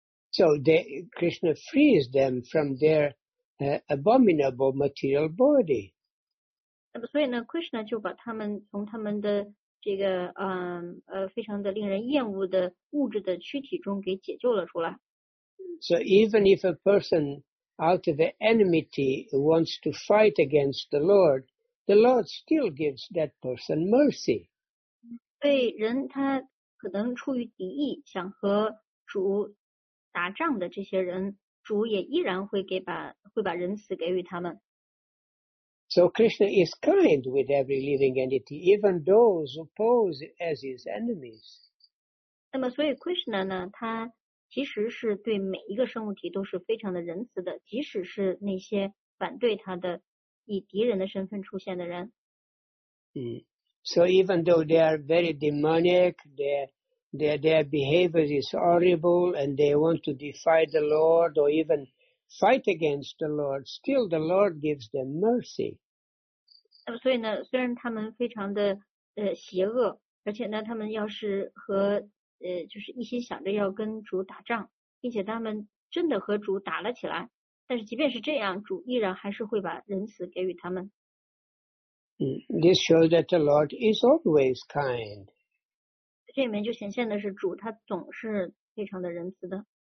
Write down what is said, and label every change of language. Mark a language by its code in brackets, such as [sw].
[en] So Krishna frees them from their abominable material body. [zh] 所以呢 ，Krishna 就把他们从他们的这个非常的令人厌恶的物质的躯体中给解救了出来。 [en] So even if a person out of the enmity wants to fight against the Lord still gives that person mercy. [zh] 对人他可能出于敌意想和主打仗的这些人。主也依然会把仁慈给予他们。 [en] So Krishna is kind with every living entity, even those who pose as his enemies. [zh] 那么所以 Krishna 呢，他其实是对每一个生物体都是非常的仁慈的，即使是那些反对他的以敌人的身份出现的人。 [en] So even though they are very demonic, their behavior is horrible and they want to defy the Lord or even fight against the Lord, still the Lord gives them mercy. [zh] 所以呢，虽然他们非常的邪恶，而且呢，他们要是和就是一心想着要跟主打仗，并且他们真的和主打了起来，但是即便是这样，主依然还是会把仁慈给予他们。 [en] This shows that the Lord is always kind. [zh] 这里面就显现的是主他总是非常的仁慈的。